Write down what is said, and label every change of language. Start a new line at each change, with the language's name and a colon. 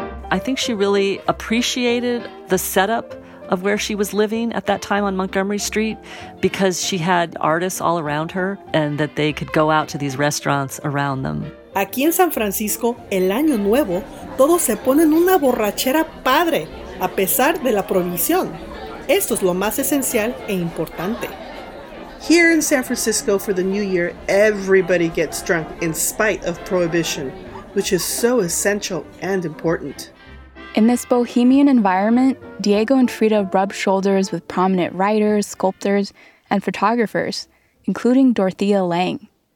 English: I think she really appreciated the setup of where she was living at that time on Montgomery Street because she had artists all around her and that they could go out to these restaurants around them.
Spanish: Aquí en San Francisco, el año nuevo, todos se ponen una borrachera padre. A pesar de la prohibición, esto es lo más esencial e importante.
English: Here in San Francisco for the New Year, everybody gets drunk in spite of prohibition, which is so essential and important. In this bohemian environment, Diego and Frida rub shoulders with prominent writers, sculptors, and photographers, including Dorothea Lange.